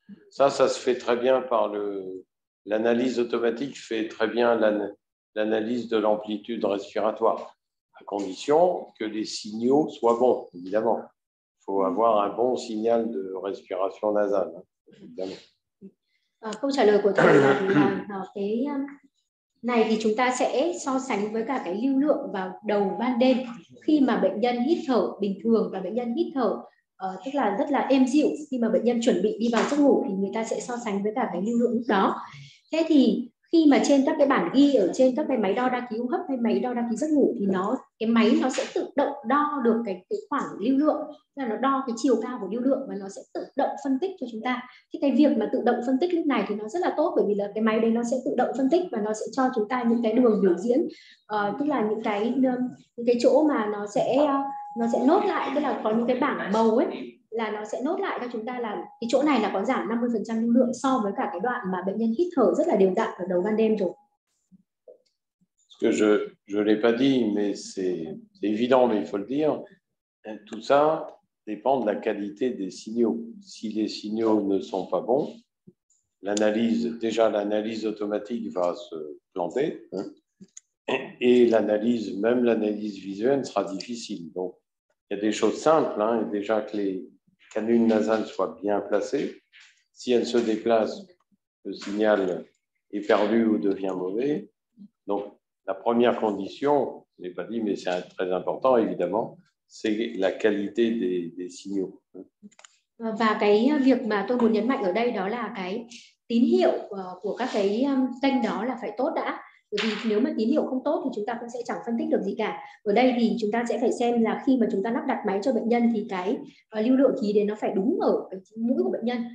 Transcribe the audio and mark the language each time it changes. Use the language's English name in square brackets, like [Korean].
[French] Ça se fait très bien par l'analyse automatique, fait très bien l'analyse de l'amplitude respiratoire, à condition que les signaux soient bons, évidemment. Il faut avoir un bon signal de respiration nasale, évidemment. [Vietnamese] Câu trả lời của tôi là cái này thì chúng ta sẽ so sánh với cả cái lưu lượng vào đầu ban đêm, khi mà bệnh nhân hít thở bình thường và bệnh nhân hít thở tức là rất là êm dịu, khi mà bệnh nhân chuẩn bị đi vào giấc ngủ thì người ta sẽ so sánh với cả cái lưu lượng lúc đó. Thế thì khi mà trên các cái bản ghi ở trên các cái máy đo đa ký hô hấp hay máy đo đa ký giấc ngủ thì cái máy nó sẽ tự động đo được cái khoảng lưu lượng, là nó đo cái chiều cao của lưu lượng và nó sẽ tự động phân tích cho chúng ta. Thì cái việc mà tự động phân tích lúc này thì nó rất là tốt, bởi vì là cái máy đấy nó sẽ tự động phân tích và nó sẽ cho chúng ta những cái đường biểu diễn, tức là những cái chỗ mà nó sẽ nốt lại, tức là có những cái bảng màu ấy là nó sẽ nốt lại cho chúng ta là cái chỗ này là có giảm 50% lưu lượng so với cả cái đoạn mà bệnh nhân hít thở rất là đều đặn ở đầu ban đêm rồi. [French] Ce que je l'ai pas dit, mais c'est évident, mais il faut le dire. Tout ça dépend de la qualité des signaux. Si les signaux ne sont pas bons, l'analyse, déjà l'analyse automatique va se planter, hein, et l'analyse, même l'analyse visuelle, sera difficile. Donc, il y a des choses simples, hein, déjà que les canules nasales soient bien placées. Si elles se déplacent, le signal est perdu ou devient mauvais. Donc, la première condition, je n'ai pas dit, mais c'est très important, évidemment, c'est la qualité des signaux. [Vietnamese] Và cái việc mà tôi muốn nhấn mạnh ở đây đó là cái tín hiệu của các cái kênh đó là phải tốt đã. Bởi vì nếu mà tín hiệu không tốt thì chúng ta cũng sẽ chẳng phân tích được gì cả. Ở đây thì chúng ta sẽ phải xem là khi mà chúng ta lắp đặt máy cho bệnh nhân thì cái lưu lượng khí đấy nó phải đúng ở mũi của bệnh nhân.